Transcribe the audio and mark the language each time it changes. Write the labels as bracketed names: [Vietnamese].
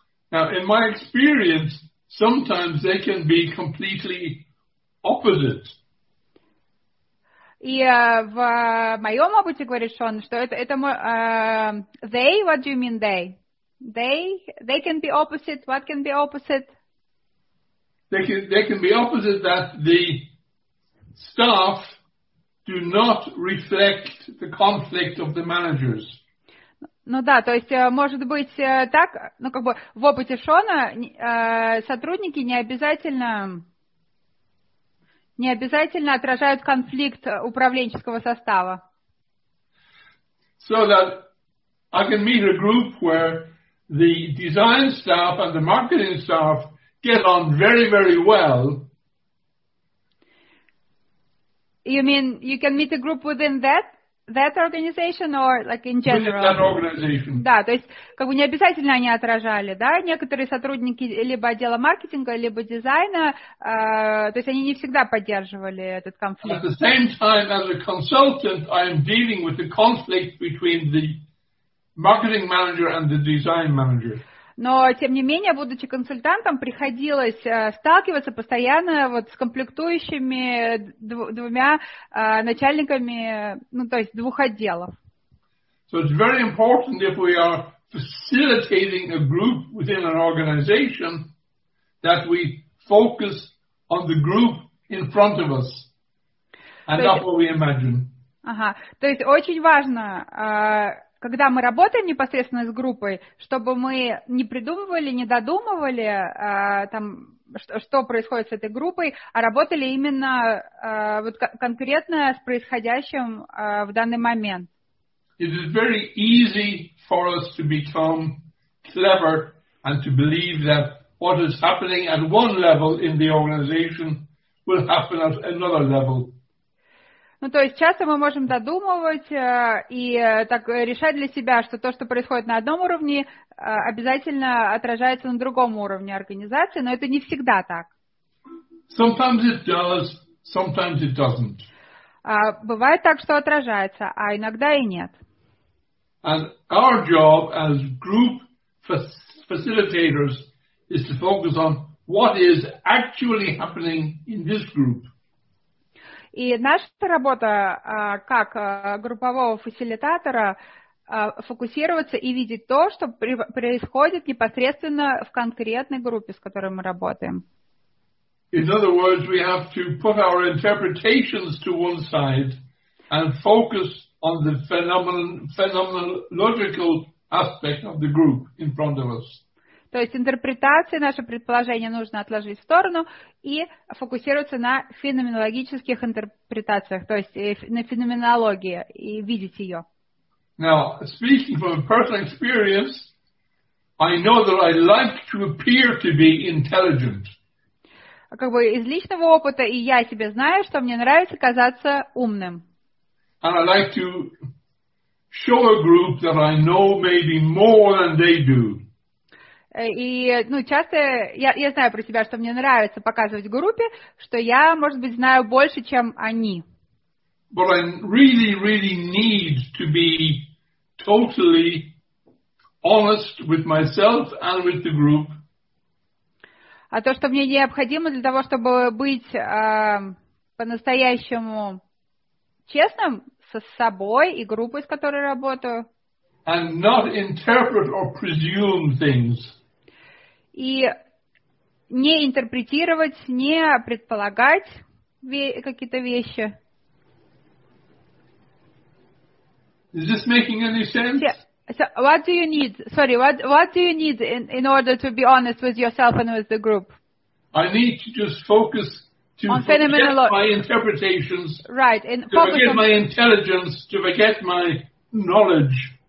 [English] Now, in my experience, sometimes they can be completely opposite. [Russian] И в моем опыте, говорит Шон, что это [English] they, what do you mean they? They can be opposite. What can be opposite? They can be opposite that the staff do not reflect the conflict of the managers. [Russian] Ну да, то есть может быть так, ну как бы в опыте Шона сотрудники не обязательно отражают конфликт управленческого состава. [English] So that I can meet a group where the design staff and the marketing staff get on very, very well. You mean you can meet a group within that organization or like in general? Within that organization. [Russian] Да, то есть как бы не обязательно они отражали, да, некоторые сотрудники либо отдела маркетинга, либо дизайна, то есть они не всегда поддерживали этот конфликт. [English] At the same time, as a consultant, I am dealing with the conflict between the marketing manager and the design manager. [Russian] Но, тем не менее, будучи консультантом, приходилось сталкиваться постоянно вот с комплектующими двумя начальниками, ну, то есть двух отделов. [English] So it's very important if we are facilitating a group within an organization that we focus on the group in front of us. And that's what we imagine. Ага. [Russian] То есть очень важно, когда мы работаем непосредственно с группой, чтобы мы не придумывали, не додумывали, там, что происходит с этой группой, а работали именно вот конкретно с происходящим в данный момент. [English] It is very easy for us to become clever and to believe that what is happening at one level in the organization will happen at another level. [Russian] Ну, то есть часто мы можем додумывать и так решать для себя, что то, что происходит на одном уровне, обязательно отражается на другом уровне организации, но это не всегда так. [English] Sometimes it does, sometimes it doesn't. [Russian] Бывает так, что отражается, а иногда и нет. [English] And our job as group facilitators is to focus on what is actually happening in this group. [Russian] И наша работа как группового фасилитатора фокусироваться и видеть то, что происходит непосредственно в конкретной группе, с которой мы работаем. [English] In other words, we have to put our interpretations to one side and focus on the phenomenological aspect of the group in front of us. [Russian] То есть интерпретации, наше предположение нужно отложить в сторону и фокусироваться на феноменологических интерпретациях, то есть на феноменологии и видеть ее. [English] Now, speaking from personal experience, I know that I like to appear to be intelligent. [Russian] Как бы из личного опыта, и я себе знаю, что мне нравится казаться умным. [English] And I like to show a group that I know maybe more than they do. [Russian] И, ну, часто я знаю про себя, что мне нравится показывать группе, что я, может быть, знаю больше, чем они. [English] But I really, really need to be totally honest with myself and with the group. [Russian] А то, что мне необходимо для того, чтобы быть по-настоящему честным со собой и группой, с которой работаю. [English] And not interpret or presume things. [Russian] И не интерпретировать, не предполагать какие-то вещи. [English] Is this making any sense? So what do you need? Sorry, what do you need in order to be honest with yourself and with the group? I need to just focus to on forget my interpretations, right, and to forget my intelligence, to forget my knowledge.